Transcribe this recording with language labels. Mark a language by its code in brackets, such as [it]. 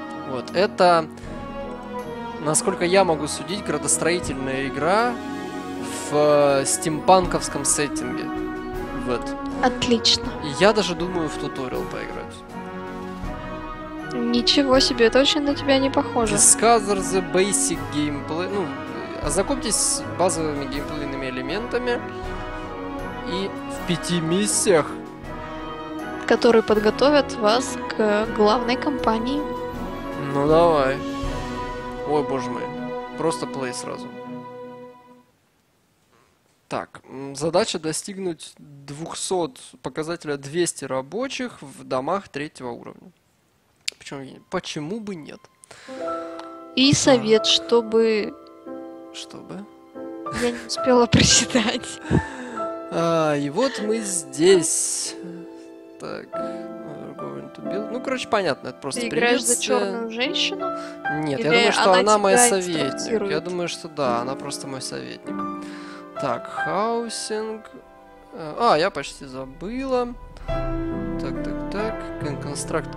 [ru] Вот, это, насколько я могу судить, градостроительная игра в стимпанковском сеттинге. Вот. Отлично. Я даже думаю в туториал поиграть. Ничего себе, это очень на тебя не похоже. [en] Discover the basic gameplay. [ru] Ну, ознакомьтесь с базовыми геймплейными элементами. И в 5 миссиях. Которые подготовят вас к главной кампании. Ну давай. Ой, боже мой. Просто плей сразу. Так, задача достигнуть 200, показателя 200 рабочих в домах третьего уровня. Почему бы нет? И совет, чтобы... Чтобы? Я не успела прочитать. И вот мы здесь. [en] Так, we're going to build. [ru] Ну, короче, понятно, это просто приветствие. Ты играешь за черную женщину? Нет, я думаю, что она моя советник. Я думаю, что да, она просто мой советник. Так, housing. А, я почти забыла. Так, так, так. [en] Can construct.